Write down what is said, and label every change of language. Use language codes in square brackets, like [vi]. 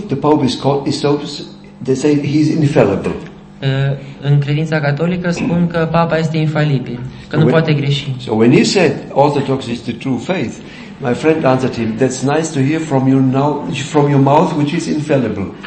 [en] The Pope is called, is so, they say he's infallible. [ro] În credința catolică spun că Papa este infalibil, că nu poate greși. [en] So when he said Orthodox is the true faith, my friend answered him, that's nice to hear from you now, from your mouth, which is infallible.